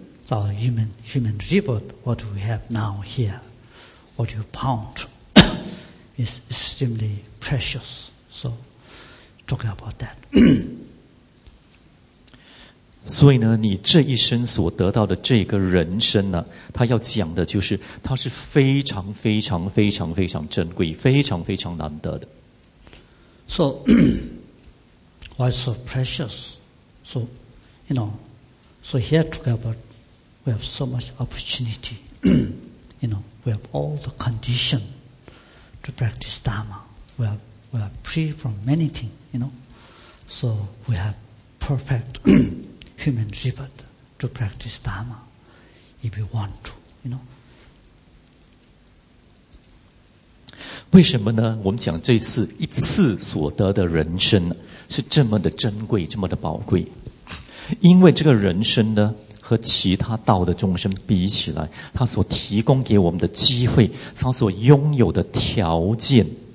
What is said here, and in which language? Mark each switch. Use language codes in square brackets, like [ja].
[en] Our human rebirth, what we have now here, what you found, is extremely precious. So, talk about that. [zh] 所以呢，你这一生所得到的这个人生呢，他要讲的就是，它是非常非常非常非常珍贵，非常非常难得的。 [en] So, why so precious? So, you know, so here talk about. We have so much opportunity, you know, we have all the condition to practice Dharma. We are free from many things, you know. So we have perfect human rebirth to practice Dharma if we want to, you know. [zh] 为什么呢？我们讲这次一次所得的人生是这么的珍贵，这么的宝贵，因为这个人生呢和其他道的众生比起来，他所提供给我们的机会，他所拥有的条件